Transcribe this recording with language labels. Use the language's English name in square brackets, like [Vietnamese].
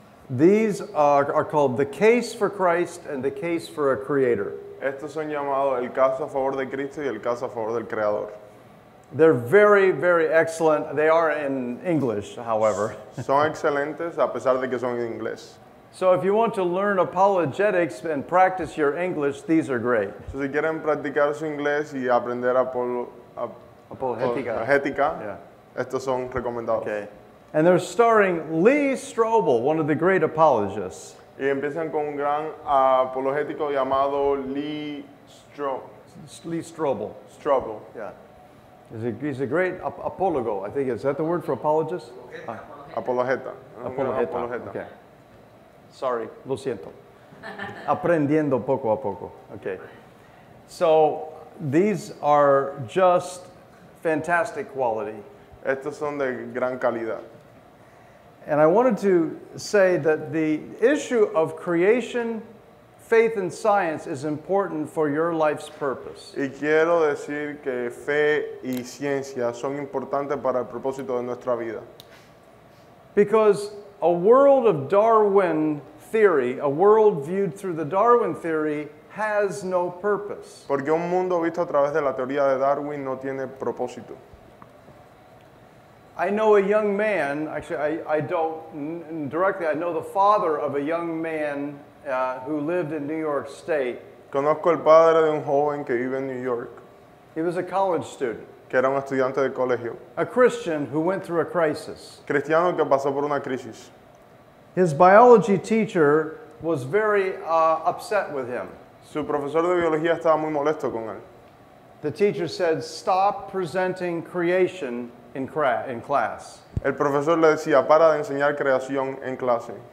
[English] These are called The Case for Christ and The Case for a Creator. [Spanish] Estos son llamados El Caso a Favor de Cristo y El Caso a Favor del Creador. [English] They're very, very excellent. They are in English, however. [Spanish] Son excelentes a pesar de que son en inglés. [English] So if you want to learn apologetics and practice your English, these are great. [Spanish] So si quieren practicar su inglés y aprender apologética, yeah. Estos son recomendados. [English] Okay. And they're starring Lee Strobel, one of the great apologists. [Spanish] Y empiezan con un gran apologético llamado Lee Strobel. Strobel, [English] yeah. He's a great apologo, I think. Is that the word for apologist? [Spanish] Apologeta. Apologeta. Apologeta. [English] Okay. Sorry, [Spanish] lo siento. Aprendiendo poco a poco. [English] Okay. So these are just fantastic quality. [Spanish] Estos son de gran calidad. [English] And I wanted to say that the issue of creation, faith, and science is important for your life's purpose. [Spanish] Y quiero decir que fe y ciencia son importantes para el propósito de nuestra vida. [English] Because a world of Darwin theory, a world viewed through the Darwin theory, has no purpose. [Spanish] Porque un mundo visto a través de la teoría de Darwin no tiene propósito. [English] I know a young man, actually I know the father of a young man who lived in New York State. [Spanish] Conozco el padre de un joven que vive en New York. [English] He was a college student. [Spanish] Que era un estudiante de colegio. [English] A Christian who went through a crisis. [Spanish] Cristiano que pasó por una crisis. [English] His biology teacher was very upset with him. [Spanish] Su profesor de biología estaba muy molesto con él. [English] The teacher said, "Stop presenting creation in class." [Spanish] El profesor le decía, "Para de enseñar creación en clase."